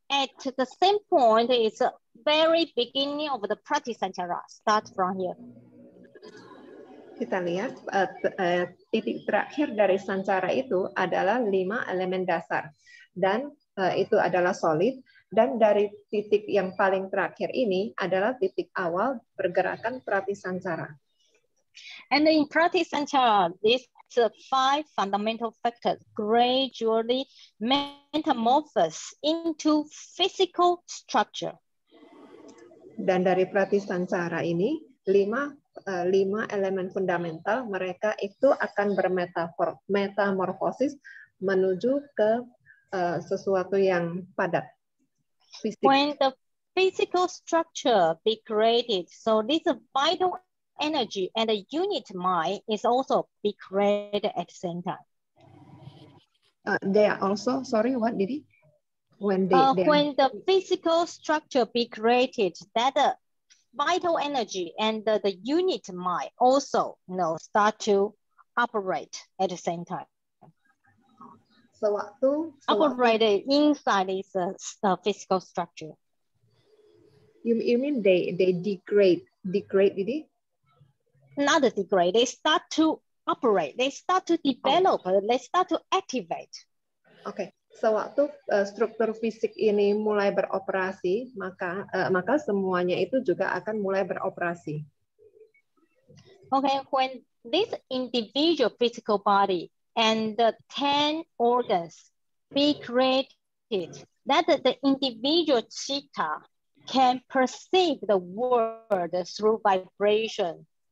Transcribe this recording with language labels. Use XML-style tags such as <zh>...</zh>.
<en>At the same point, it's the very beginning of the Prakriti Sanchara. Start from here.</en> <id>Kita lihat titik terakhir dari sanchara itu adalah lima elemen dasar dan itu adalah solid dan dari titik yang paling terakhir ini adalah titik awal pergerakan prati sanchara.</id> <en>And in prati sanchara, these five fundamental factors gradually metamorphose into physical structure.</en> <id>Dan dari prati sanchara ini lima elemen fundamental mereka itu akan bermetamorfosis menuju ke sesuatu yang padat. Fisik.</id> <en>When the physical structure be created, so this vital energy and the unit mind is also be created at the same time. They are also, sorry, what did he? When the physical structure be created, that vital energy and the unit mind also, you know, start to operate at the same time. So operate inside is a physical structure. You mean they degrade, did it? Not degrade, they start to operate, they start to develop, they start to activate. Okay.</en> <id>Sewaktu struktur fisik ini mulai beroperasi, maka maka semuanya itu juga akan mulai beroperasi.</id> <en>Okay, when this individual physical body and the 10 organs be created, that the individual citta can perceive the world through vibration.</en>